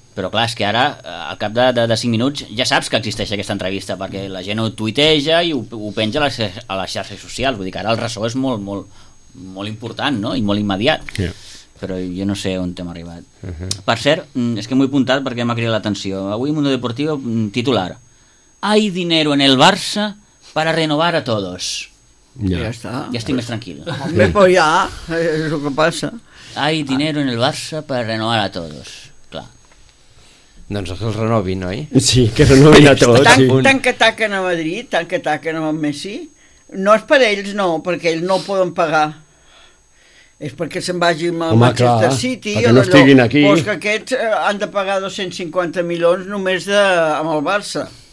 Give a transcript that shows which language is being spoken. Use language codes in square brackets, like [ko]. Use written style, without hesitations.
[ca] Però clar, és que ara, al cap de 5 minuts, ja saps que existeix aquesta entrevista, perquè la gent ho tuiteja i ho penja a les xarxes socials. Vull dir que ara el ressò és molt, molt, molt important, no? I molt immediat. Yeah. Però jo no sé on hem arribat. Uh-huh. Per cert, és que m'ho he apuntat perquè m'ha cridat l'atenció. Avui, Mundo Deportivo, titular. [es] Hay dinero en el Barça para renovar a todos. [ca] Yeah. Ja està. Ja estic més tranquil. [es] Hombre, pues ya, [ca] és el que passa. [es] Hay dinero en el Barça para renovar a todos. [ca] Doncs que els renovin, oi? Sí, que renovin a tots. Tant que ataquen a Madrid, tant que ataquen a Messi, no és per ells, no, perquè ells no poden pagar. És perquè se'n vagin a Manchester City. Perquè no estiguin aquí. Però que aquests han de pagar 250 milions només amb el Barça.